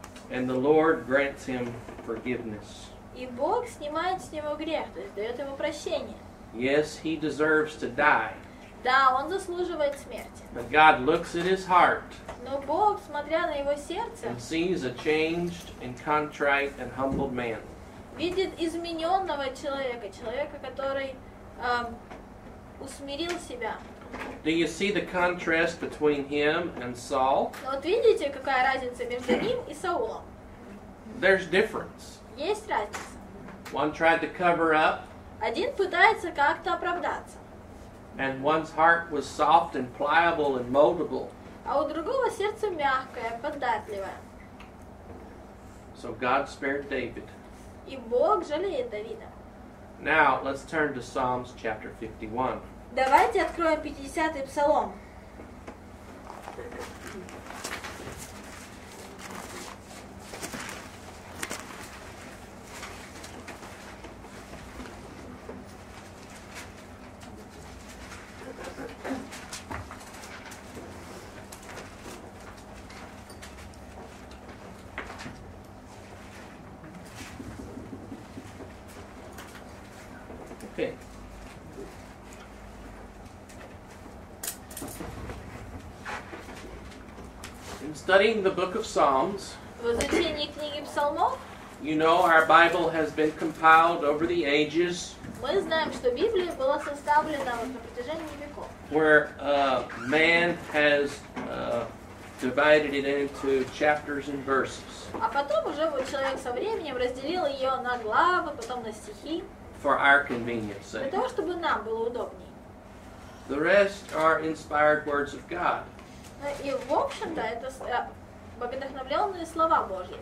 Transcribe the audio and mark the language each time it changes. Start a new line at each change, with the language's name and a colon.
English: And the Lord grants him forgiveness.
Russian: И Бог снимает с него грех, то есть дает ему прощение.
English: Yes, he deserves to die.
Russian: Да, он заслуживает смерти.
English: But God looks at his heart.
Russian: Но Бог, смотря на его сердце,
English: and sees a changed and contrite and humbled man.
Russian: Видит измененного человека, человека, который усмирил себя.
English: Do you see the contrast between him and Saul?
Russian: Но вот видите, какая разница между ним и Саулом?
English: There's difference.
Russian: Есть разница.
English: One tried to cover up.
Russian: Один пытается как-то оправдаться.
English: And one's heart was soft and pliable and moldable.
Russian: А у другого сердце мягкое, податливое.
English: So God spared David.
Russian: И Бог жалеет Давида.
English: Now let's turn to Psalms chapter 51.
Russian: Давайте откроем 50-й псалом.
English: Studying the book of Psalms.
Russian: В изучении книги Псалмов.
English: You know our Bible has been compiled over the ages.
Russian: Мы знаем, что Библия была составлена вот на протяжении веков.
English: Where man has divided it into chapters and verses.
Russian: А потом уже вот человек со временем разделил ее на главы, потом на стихи.
English: For our convenience.
Russian: Для того, чтобы нам было удобнее.
English: The rest are inspired words of God.
Russian: И, в общем-то, это богодохновленные слова Божьи.